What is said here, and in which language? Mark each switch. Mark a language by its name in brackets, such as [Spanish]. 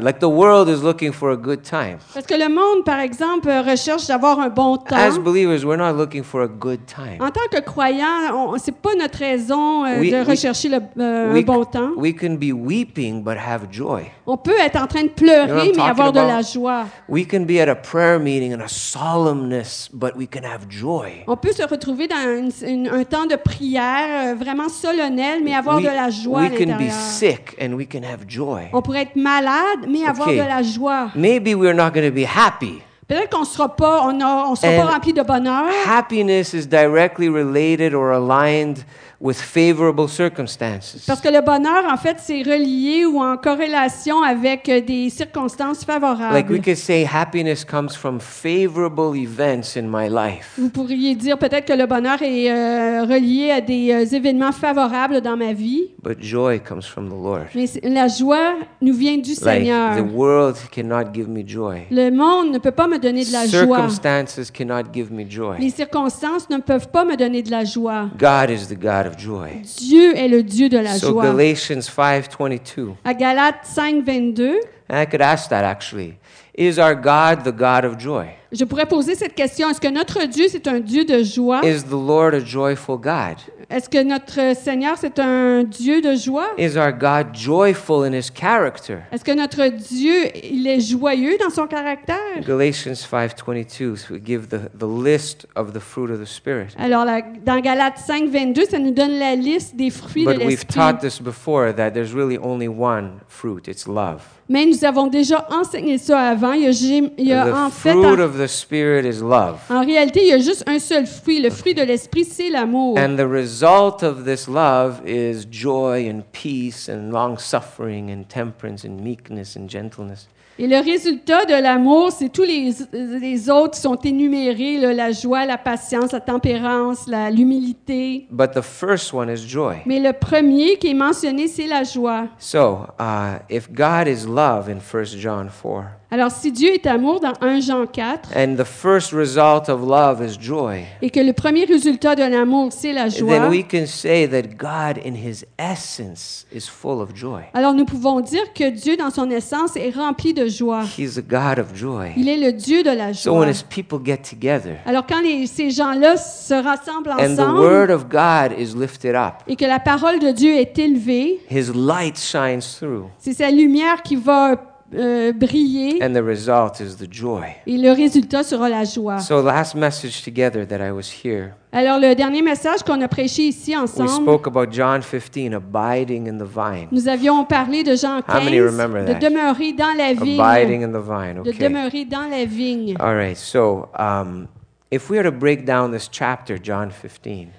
[English] Like the world is looking for a good time. [French] Parce que le monde, par exemple, recherche d'avoir un bon temps. [English] As believers, we're not looking for a good time. [French] En tant que croyants, c'est pas notre raison de rechercher un bon temps. [English] We can be weeping but have joy. [French] On peut être en train de pleurer, [English] you know, [French] mais avoir [English] about [French] de la joie. [English] We can be at a prayer meeting in a solemnness, but we can have joy. [French] On peut se retrouver dans un temps de prière vraiment solennel, mais avoir de la joie. [English] We can be sick and we can have joy. [French] On pourrait être malade, mais avoir de la joie. [English] Maybe we're not going to be happy. [French] Peut-être qu'on sera pas, on sera pas rempli de bonheur. [English] Happiness is directly related or aligned with favorable circumstances. [French] Parce que le bonheur, en fait, c'est relié ou en corrélation avec des circonstances favorables. [English] Like we could say, happiness comes from favorable events in my life. [French] Vous pourriez dire peut-être que le bonheur est relié à des événements favorables dans ma vie. [English] But joy comes from the Lord. [French] Mais la joie nous vient du Seigneur. [English] The world cannot give me joy. [French] Le monde ne peut pas me donner de la joie. [English] Circumstances cannot give me joy. [French] Les circonstances ne peuvent pas me donner de la joie. [English] God is the God of joy. [French] Dieu est le Dieu de la [English] So Galatians 5:22. [French] À Galates 5:22. [English] And I could ask that actually. Is our God the God of joy? [French] Je pourrais poser cette question. Est-ce que notre Dieu, c'est un Dieu de joie? [English] Is the Lord a joyful God? [French] Est-ce que notre Seigneur, c'est un Dieu de joie? [English] Is our God joyful in his character? [French] Est-ce que notre Dieu, il est joyeux dans son caractère? [English] Galatians 5:22, so we give the list of the fruit of the Spirit. [French] Alors, dans Galates 5:22, ça nous donne la liste des fruits [English] But [French] de l'Esprit. [English] But we've taught this before, that there's really only one fruit, it's love. [French] Mais nous avons déjà enseigné ça avant. En réalité, il y a juste un seul fruit. Le fruit de l'esprit, c'est l'amour. [English] And the result of this love is joy and peace and long suffering and temperance and meekness and gentleness. [French] Et le résultat de l'amour, c'est tous les autres qui sont énumérés, là, la joie, la patience, la tempérance, l'humilité. [English] But the first one is joy. [French] Mais le premier qui est mentionné, c'est la joie. [English] So, if God is love in 1 John 4. [French] Alors, si Dieu est amour dans 1 Jean 4. [English] And the first result of love is joy. [French] Et que le premier résultat de l'amour, c'est la joie. [English] Then we can say that God in his essence is full of joy. [French] Alors, nous pouvons dire que Dieu dans son essence est rempli de joie. [English] He's a God of joy. [French] Il est le Dieu de la joie. [English] So when his people get together. [French] Alors, quand ces gens-là se rassemblent ensemble. [English] And the word of God is lifted up. [French] Et que la parole de Dieu est élevée. [English] His light shines through. [French] C'est sa lumière qui va briller. [English] And the result is the joy. [French] Et le résultat sera la joie. [English] So last message together that I was here. [French] Alors le dernier message qu'on a prêché ici ensemble. [English] We spoke about John 15, abiding in the vine. [French] Nous avions parlé de Jean 15. [English] How many remember that? [French] De demeurer dans la vigne. [English] Abiding in the vine. Okay. [French] De demeurer dans la vigne. [English] All right. So if we were to break down this chapter, John 15.